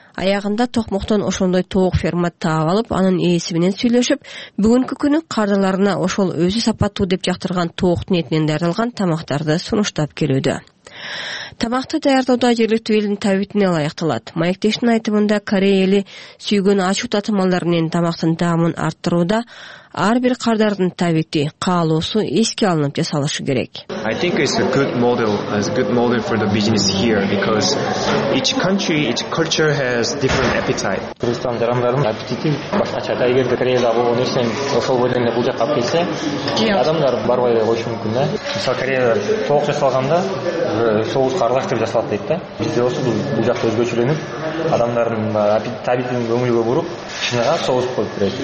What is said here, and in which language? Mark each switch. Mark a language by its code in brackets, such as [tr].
[ky] Аягында токмоктон ошондой тоок ферма таап алып, анын ээси менен сүйлөшүп, бүгүнкү күнү кардарларына ошол өзү сапаттуу деп жактырган тооктун этинен даярдалган тамактарды сунуштап келүүдө. Тамакты даярдоодо жергиликтүү элдин табитине ылайыкталат. Маектештин айтымында Корея эли сүйгөн ачуу татымалдар менен тамактын таамын арттырууда ар бир кардардын табити, каалоосу эске алынып жасалышы керек. [en] I think it's a good model, it's a good model for the business here because each country, each culture has different appetite. [ky] Кыргызстан жарандарынын аппетити башкача. Эгерде Кореяда болгон нерсе ошол бойдонде бул жакка алып келсе, адамдар барбай эле коюшу мүмкүн да. Мисалы Кореяда тоок жасалганда соус каралаштырып жасалат дейт да. Бизде болсо бул жакта өзгөчөлөнүп, адамдардын аппетитин көңүлгө буруп, чыныга соус коюп берет.